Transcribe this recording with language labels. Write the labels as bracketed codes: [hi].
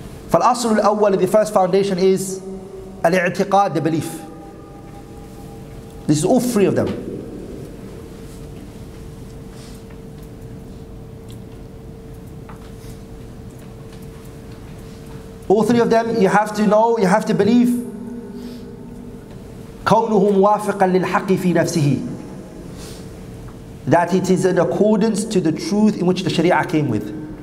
[ar] فالأصل الأول, [en] the first foundation is الاعتقاد, the belief. This is all three of them. All three of them, you have to know, you have to believe. [ar] كونه موافقا للحق في نفسه. [en] That it is in accordance to the truth in which the Sharia came with.